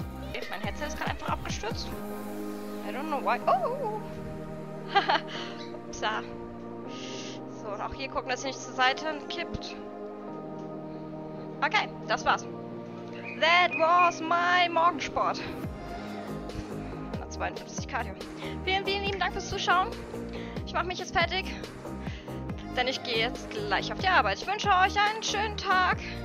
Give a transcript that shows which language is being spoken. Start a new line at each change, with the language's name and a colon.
German: Okay, mein Headset ist gerade einfach abgestürzt.
English: I don't know why.
German: Oh! Upsa. Und auch hier gucken, dass ihr nicht zur Seite kippt. Okay, das war's.
English: That was my Morgensport. 152 Cardio.
German: Vielen, vielen lieben Dank fürs Zuschauen. Ich mache mich jetzt fertig, denn ich gehe jetzt gleich auf die Arbeit. Ich wünsche euch einen schönen Tag.